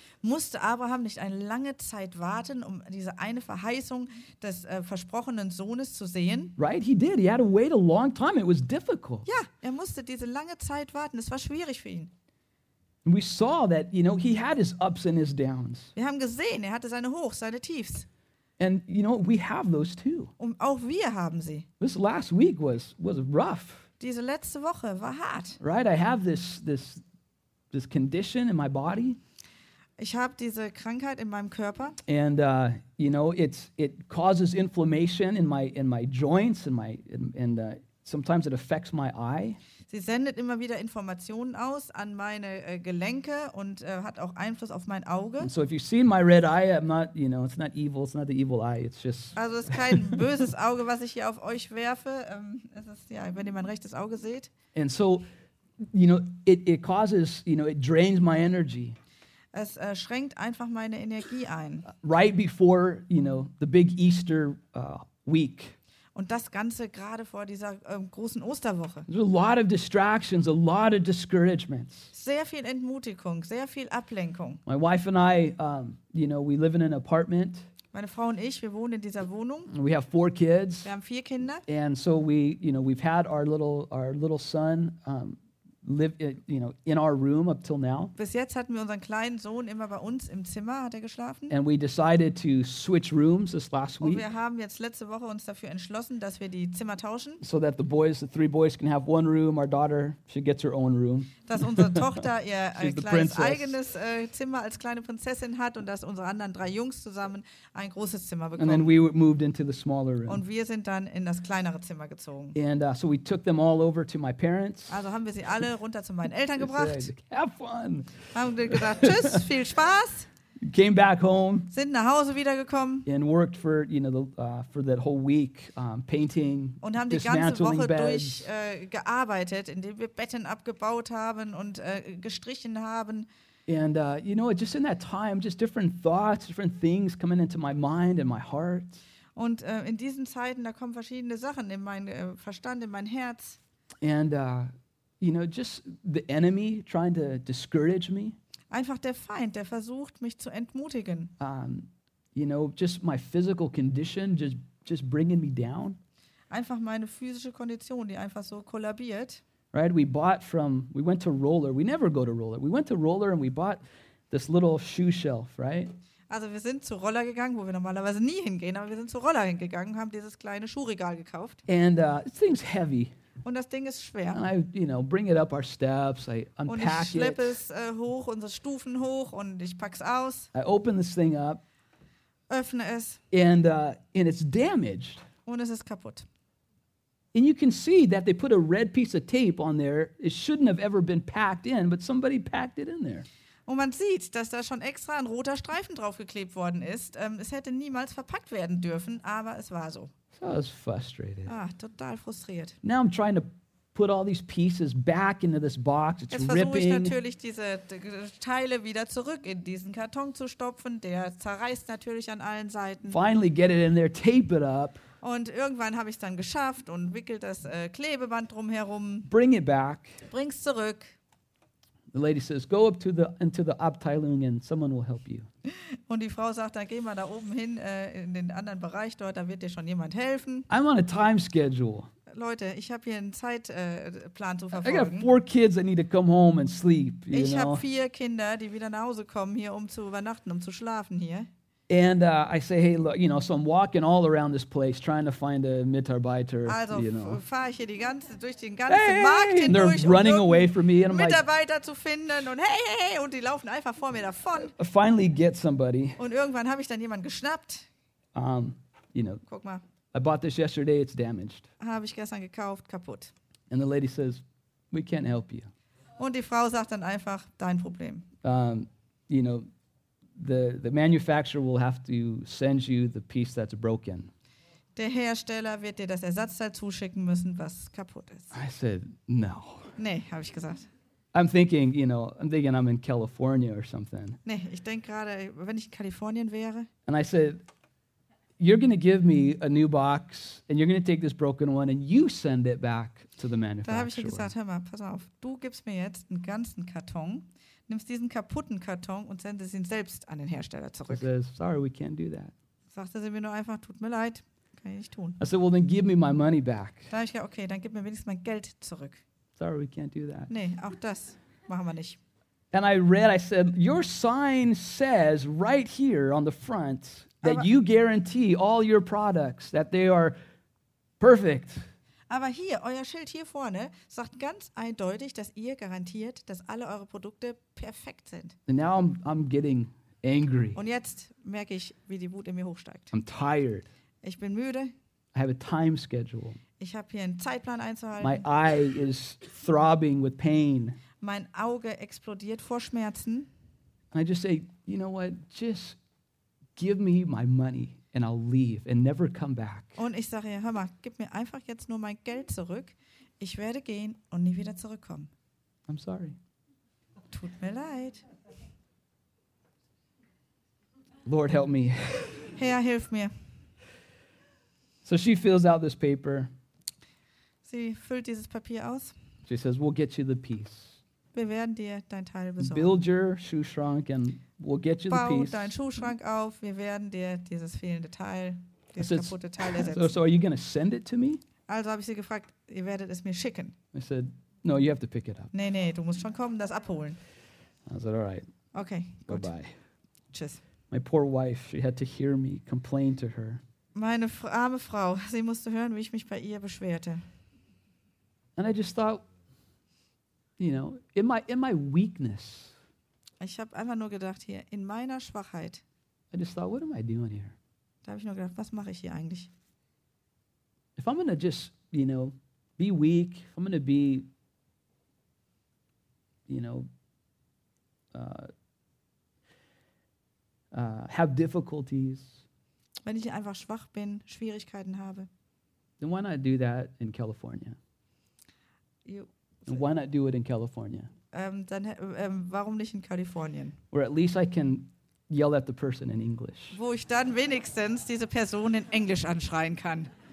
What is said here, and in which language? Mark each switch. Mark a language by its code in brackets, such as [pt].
[de] Musste Abraham nicht eine lange Zeit warten, um diese eine Verheißung des versprochenen Sohnes zu sehen? [en] Right, he did. He had to wait a long time. It was difficult. [de] Ja, er musste diese lange Zeit warten. Es war schwierig für ihn. [en] And we saw that, you know, he had his ups and his downs. [de] Wir haben gesehen, er hatte seine Hochs, seine Tiefs. [en] And you know, we have those too. [de] Und auch wir haben sie. [en] This last week was rough. [de] Diese letzte Woche war hart. [en] Right, I have this condition in my body. [de] Ich habe diese Krankheit in meinem Körper. [en] And you know, it causes inflammation in my joints and my and sometimes it affects my eye. [de] Sie sendet immer wieder Informationen aus an meine Gelenke und hat auch Einfluss auf mein Auge. [en] And so if you see my red eye, I'm not, you know, it's not evil, it's not the evil eye, it's just. [de] Also es ist kein böses Auge, was ich hier auf euch werfe. Es ist, ja, wenn ihr mein rechtes Auge seht. [en] And so, you know, it causes, you know, it drains my energy. [de] Es schränkt einfach meine Energie ein. [en] Right before, you know, the big Easter week. [de] Und das Ganze gerade vor dieser großen Osterwoche. [en] There's a lot of distractions, a lot of discouragements. [de] Sehr viel Entmutigung, sehr viel Ablenkung. [en] My wife and I, you know, we live in an apartment. [de] Meine Frau und ich, wir wohnen in dieser Wohnung. [en] And we have four kids. [de] Wir haben vier Kinder. [en] And so we, you know, we've had our little son live, you know, in our room up till now. [de] Bis jetzt hatten wir unseren kleinen Sohn immer bei uns im Zimmer, hat er geschlafen. [en] And we decided to switch rooms this last week. [de] Und wir haben jetzt letzte Woche uns dafür entschlossen, dass wir die Zimmer tauschen. [en] So that the three boys can have one room, our daughter, she gets her own room. [de] Dass unsere Tochter ihr kleines eigenes Zimmer als kleine Prinzessin hat und dass unsere anderen drei Jungs zusammen ein großes Zimmer bekommen. [en] And then we moved into the smaller room. [de] Und wir sind dann in das kleinere Zimmer gezogen. [en] And so we took them all over to my parents. [de] Also haben wir sie alle runter zu meinen Eltern gebracht. [en] Have fun. [de] Haben gesagt, tschüss, viel Spaß. [en] Came back home. [de] Sind nach Hause wiedergekommen. [en] And worked for, you know, for that whole week, painting. [de] Und haben die ganze Woche durch gearbeitet, indem wir Betten abgebaut haben und gestrichen haben. [en] And you know, just in that time, just different thoughts, different things coming into my mind and my heart. [de] Und in diesen Zeiten, da kommen verschiedene Sachen in meinen Verstand, in mein Herz. [en] And you know, just the enemy trying to discourage me. [de] Einfach der Feind, der versucht, mich zu entmutigen. [en] You know, just my physical condition, just bringing me down. [de] Einfach meine physische Kondition, die einfach so kollabiert. [en] right? We went to Roller. We never go to Roller. We went to Roller and we bought this little shoe shelf, right? [de] Also wir sind zu Roller gegangen, wo wir normalerweise nie hingehen, aber wir sind zu Roller hingegangen und haben dieses kleine Schuhregal gekauft. [en] And this thing's heavy. [de] Und das Ding ist schwer. [en] And I, you know, bring it up our steps, I unpack it. [de] Und ich schleppe es hoch, unsere Stufen hoch und ich pack's aus. [en] I open this thing up. [de] Öffne es. [en] And it's damaged. [de] Und es ist kaputt. [en] And you can see that they put a red piece of tape on there. It shouldn't have ever been packed in, but somebody packed it in there. [de] Und man sieht, dass da schon extra ein roter Streifen draufgeklebt worden ist. Es hätte niemals verpackt werden dürfen, aber es war so. [en] So I was frustrated. [de] Ah, total frustriert. [en] Now I'm trying to put all these pieces back into this box. It's ripping. [de] Jetzt versuche ich natürlich, diese Teile wieder zurück in diesen Karton zu stopfen. Der zerreißt natürlich an allen Seiten. [en] Finally get it in there, tape it up. [de] Und irgendwann habe ich es dann geschafft und wickelt das Klebeband drumherum. [en] Bring it back. [de] Bring's zurück. [en] The lady says, "Go up to the into the Abteilung, and someone will help you." [de] Und die Frau sagt, dann geh mal da oben hin in den anderen Bereich dort. Da wird dir schon jemand helfen. [en] I'm on a time schedule. [de] Leute, ich habe hier einen Zeitplan zu verfolgen. [en] I got four kids that need to come home and sleep. [de] Ich habe vier Kinder, die wieder nach Hause kommen hier, um zu übernachten, um zu schlafen hier. [en] And I say, hey, look, you know, so I'm walking all around this place trying to find a Mitarbeiter, [de] also, [en] you know. [de] Also fahre ich hier die ganze, durch den ganzen hey, Markt hindurch, [en] and they're running away from me, and I'm [de] Mitarbeiter [en] like, [de] zu finden und hey, hey, hey, und die laufen einfach vor mir davon. [en] I finally get somebody. [de] Und irgendwann habe ich dann jemanden geschnappt. [en] You know, [de] guck mal. [en] I bought this yesterday, it's damaged. [de] Habe ich gestern gekauft, kaputt. [en] And the lady says, we can't help you. [de] Und die Frau sagt dann einfach, dein Problem. [en] You know, The manufacturer will have to send you the piece that's broken. [de] Der Hersteller wird dir das Ersatzteil zuschicken müssen, was kaputt ist. [en] I said no. [de] Nee, habe ich gesagt. [en] I'm thinking I'm in California or something. [de] Nee, ich denk gerade, wenn ich in Kalifornien wäre. [en] And I said, you're going to give me a new box and you're going to take this broken one and you send it back to the manufacturer. [de] Da habe ich gesagt, hör mal, pass auf, du gibst mir jetzt einen ganzen Karton. Nimmst diesen kaputten Karton und sendest ihn selbst an den Hersteller zurück. [en] He says, sorry, we can't do that. [de] Sagt er mir nur einfach, tut mir leid, kann ich nicht tun. [en] I said, well, then give me my money back. [de] Da ich gesagt, okay, dann gib mir wenigstens mein Geld zurück. [en] Sorry, we can't do that. [de] Nee, auch das machen wir nicht. [en] And I read, I said, your sign says right here on the front that you guarantee all your products, that they are perfect. [de] Aber hier, euer Schild hier vorne sagt ganz eindeutig, dass ihr garantiert, dass alle eure Produkte perfekt sind. [en] And now I'm getting angry. [de] Und jetzt merke ich, wie die Wut in mir hochsteigt. [en] I'm tired. [de] Ich bin müde. [en] I have a time schedule. [de] Ich habe hier einen Zeitplan einzuhalten. [en] My eye is throbbing with pain. [de] Mein Auge explodiert vor Schmerzen. [en] And I just say, you know what, just give me my money. And I'll leave and never come back. [de] Und ich sage ihr, hör mal, gib mir einfach jetzt nur mein Geld zurück. Ich werde gehen und nie wieder zurückkommen. [en] I'm sorry. [de] Tut mir leid. [en] Lord, help me. [de] Herr, hilf mir. [en] So she fills out this paper. [de] Sie füllt dieses Papier aus. [en] She says, we'll get you the piece. [de] Wir werden dir dein Teil besorgen. [en] Build your shoe shrunk and we'll get you the piece. [de] Bau deinen Schuhschrank auf. Wir werden dir dieses fehlende Teil, dieses kaputte Teil ersetzen. [en] So are you going to send it to me? [de] Also habe ich sie gefragt, ihr werdet es mir schicken. [en] I said, no, you have to pick it up. [de] Nee, nee, du musst schon kommen, das abholen. [en] I said, all right. [de] Okay, gut. Bye-bye. Tschüss. [en] My poor wife, she had to hear me complain to her. [de] Meine arme Frau, sie musste hören, wie ich mich bei ihr beschwerte. [en] And I just thought, you know, in my weakness. [de] Ich habe einfach nur gedacht hier, in meiner Schwachheit. [en] I just thought, what am I doing here? [de] Da habe ich nur gedacht, was mache ich hier eigentlich? [en] If I'm gonna just, you know, be weak, if I'm gonna be, you know, have difficulties. [de] Wenn ich einfach schwach bin, Schwierigkeiten habe. [en] Then why not do that in California? You. And why not do it in California? [de] Warum nicht in Kalifornien? [en] Where at least I can yell at the person in English. [de] Wo ich dann wenigstens diese Person in Englisch anschreien kann.